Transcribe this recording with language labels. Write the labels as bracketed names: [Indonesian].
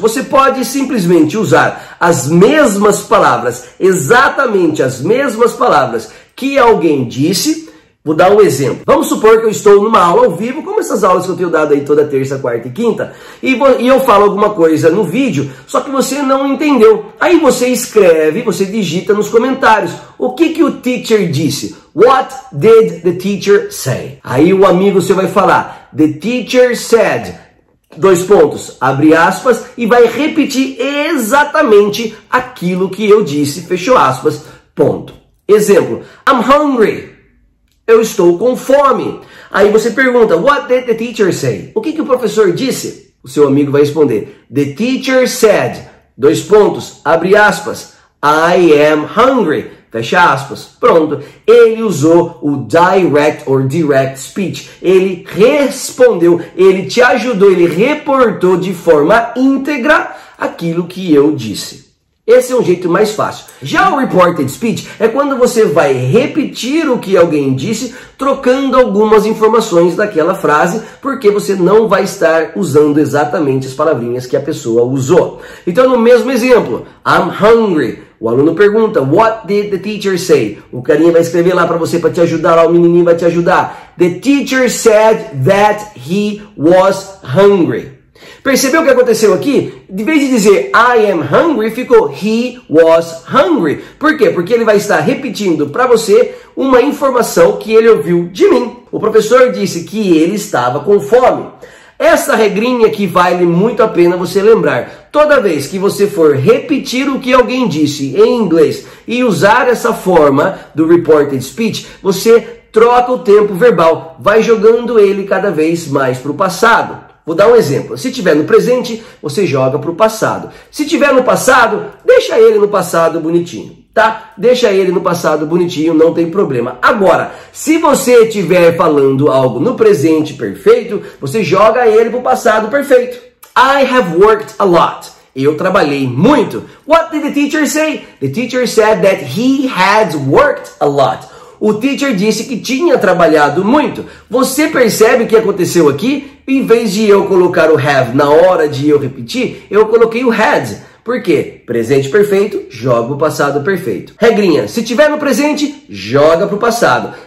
[Portuguese] Você pode simplesmente usar as mesmas palavras, exatamente as mesmas palavras que alguém disse. Vou dar um exemplo. Vamos supor que eu estou numa aula ao vivo, como essas aulas que eu tenho dado aí toda terça, quarta e quinta, e eu falo alguma coisa no vídeo, só que você não entendeu. Aí você escreve, você digita nos comentários, o que que o teacher disse? [English] What did the teacher say? [Portuguese] Aí o amigo seu vai falar, [English] the teacher said, [Portuguese] dois pontos, abre aspas, e vai repetir exatamente aquilo que eu disse, fechou aspas, ponto. Exemplo, [English] I'm hungry. [Portuguese] Eu estou com fome. Aí você pergunta, [English] what did the teacher say? [Portuguese] O que que o professor disse? O seu amigo vai responder, [English] the teacher said, [Portuguese] dois pontos, abre aspas, [English] I am hungry, [Portuguese] fecha aspas. Pronto, ele usou o direct or direct speech. Ele respondeu, ele te ajudou, ele reportou de forma íntegra aquilo que eu disse. Esse é um jeito mais fácil. Já o reported speech é quando você vai repetir o que alguém disse, trocando algumas informações daquela frase, porque você não vai estar usando exatamente as palavrinhas que a pessoa usou. Então, no mesmo exemplo, [English] I'm hungry. [Portuguese] O aluno pergunta, [English] what did the teacher say? [Portuguese] O carinha vai escrever lá para você, para te ajudar lá, o menininho vai te ajudar. [English] The teacher said that he was hungry. [Portuguese] Percebeu o que aconteceu aqui? Em vez de dizer [English] I am hungry, [Portuguese] ficou [English] he was hungry. [Portuguese] Por quê? Porque ele vai estar repetindo para você uma informação que ele ouviu de mim. O professor disse que ele estava com fome. Essa regrinha aqui vale muito a pena você lembrar. Toda vez que você for repetir o que alguém disse em inglês e usar essa forma do reported speech, você troca o tempo verbal, vai jogando ele cada vez mais para o passado. Vou dar um exemplo. Se tiver no presente, você joga para o passado. Se tiver no passado, deixa ele no passado bonitinho, tá? Deixa ele no passado bonitinho, não tem problema. Agora, se você estiver falando algo no presente perfeito, você joga ele para o passado perfeito. [English] I have worked a lot. [Portuguese] Eu trabalhei muito. [English] What did the teacher say? The teacher said that he had worked a lot. [Portuguese] O teacher disse que tinha trabalhado muito. Você percebe o que aconteceu aqui? Em vez de eu colocar o have na hora de eu repetir, eu coloquei o had. Por quê? Presente perfeito, joga o passado perfeito. Regrinha, se tiver no presente, joga para o passado.